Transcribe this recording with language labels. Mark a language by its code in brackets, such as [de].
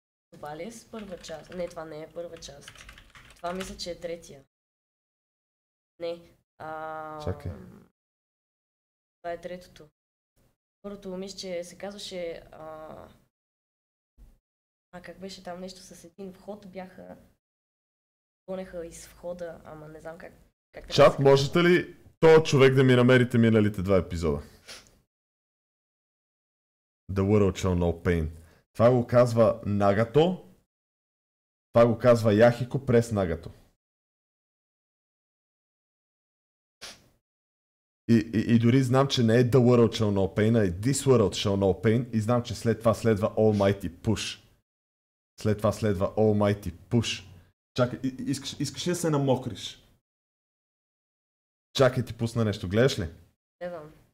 [bg] Това ли е с първа част? Не, това не е първа част. Това мисля, че е третия. Не. Чакай. Това е третото. Първото момиче се казваше... как беше там нещо с един вход бяха... Гонеха из входа, ама не знам как... Чат, можете ли то човек да ми намерите миналите два епизода? [en] The World Shall Know Pain. [bg] Това го казва Нагато. Това го казва Яхико през Нагато. И дори знам, че не е [en] The World Shall Know Pain, [bg] а е [en] This World Shall Know Pain. [bg] И знам, че след това следва Almighty Push. След това следва Almighty Push. Чакай, искаш ли да се намокриш? Чакай, ти пусна нещо. Гледаш ли? Гледам.